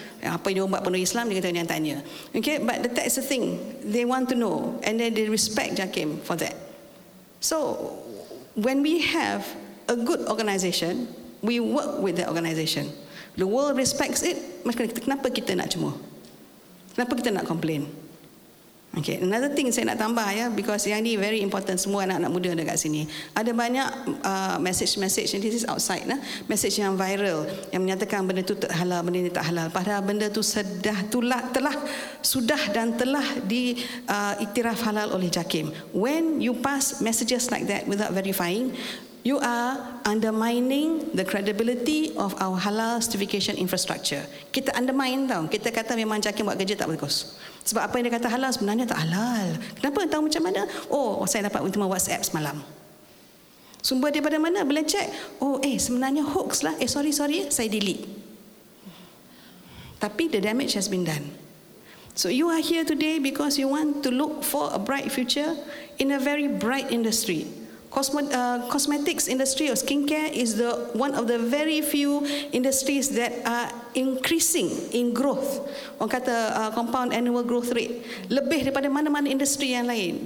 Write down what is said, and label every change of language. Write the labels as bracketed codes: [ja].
[ms] Apa yang dia buat penuh Islam, dia kata dia tanya. [en] Okay, but that is the thing. They want to know and then they respect JAKIM for that. So, when we have a good organisation, we work with that organisation. The world respects it, [ms] maka kenapa kita nak cemuh? Kenapa kita nak complain? [en] Okay, another thing [ms] saya nak tambah ya, [en] because [ms] yang ni [en] very important, [ms] semua anak-anak muda ada kat sini. Ada banyak message-message, [en] this is outside, [ms] nah, message yang viral, yang menyatakan benda tu tak halal, benda ni tak halal. Padahal benda tu telah diiktiraf halal oleh JAKIM. [en] When you pass messages like that without verifying, you are undermining the credibility of our halal certification infrastructure. [ms] Kita undermine tau. Kita kata memang JAKIM buat kerja tak bagus. Sebab apa yang dia kata halal sebenarnya tak halal. Kenapa? Tahu macam mana? Oh, saya dapat terima WhatsApp semalam. Sumber daripada mana? Boleh cek. Sebenarnya hoax lah. [en] Sorry, [ms] saya [en] delete. [ms] Tapi [en] the damage has been done. So you are here today because you want to look for a bright future in a very bright industry. Cosmetics industry or skincare is the one of the very few industries that are increasing in growth. [ms] Orang kata [en] compound annual growth rate. [ms] Lebih daripada mana-mana industri yang lain.